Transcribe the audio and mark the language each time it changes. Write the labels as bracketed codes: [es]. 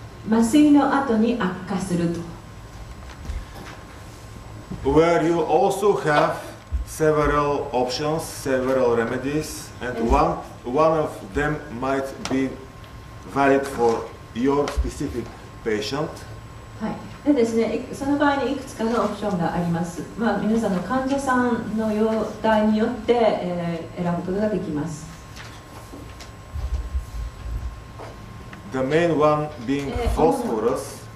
[ja] 麻酔の後に悪化すると。 [en] Where you also have several options, several remedies, and one of them might be. Valid for your specific patient. [ja] はい。でですね、その場合にいくつかのオプションがあります。まあ、皆さんの患者さんの容態によって、選ぶことができます。 [en] The main one being phosphorus.